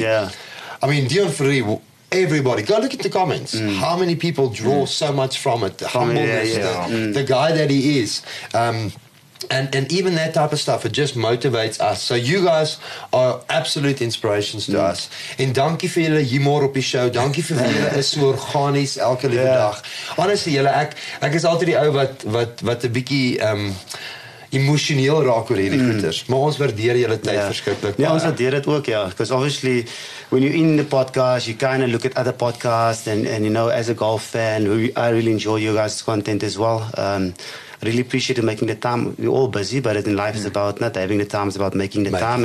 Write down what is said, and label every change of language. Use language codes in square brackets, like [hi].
[en] Yeah. I mean, Dion Ferry, everybody, go look at the comments. How many people draw so much from it, the humbleness, the guy that he is. And even that type of stuff, it just motivates us. So you guys are absolute inspirations to us. [af] And dankie vir julle hier môre op die show. Dankie vir julle is so organies elke liewe dag. [en] Honestly, [af] julle, ek is altyd die ou wat 'n bietjie emosioneel raak oor hierdie goeders. Maar ons waardeer julle tyd verskriklik. Ja, ons waardeer dit ook, [en] because obviously when you're in the podcast, you kind of look at other podcasts and you know, as a golf fan, I really enjoy your guys' content as well. Really appreciate you making the time. We're all busy, but in life it's about not having the time, it's about making the time.